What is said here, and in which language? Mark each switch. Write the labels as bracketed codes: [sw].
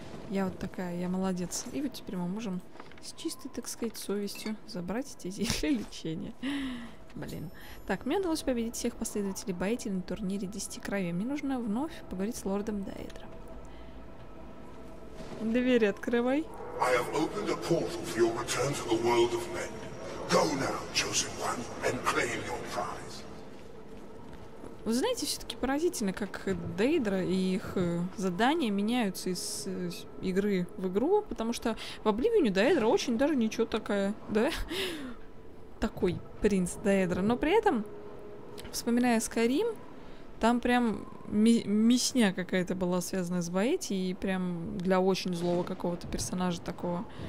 [ru] Я вот такая, я молодец. И вот теперь мы можем с чистой, так сказать, совестью забрать эти зелья лечения. Блин. Так, мне удалось победить всех последователей Баэти на турнире 10 крови. Мне нужно вновь поговорить с лордом Даэдра. Двери открывай. [en] I have opened a portal for your return to the world of men. Go now, chosen one, and claim your prize. [ru] Вы знаете, все-таки поразительно, как Дейдра и их задания меняются из игры в игру, потому что в Обливионе Дейдра очень даже ничего такая, да? Такой принц Дейдра. Но при этом, вспоминая Скайрим, там прям мясня какая-то была связана с Баэти, и прям для очень злого какого-то персонажа такого.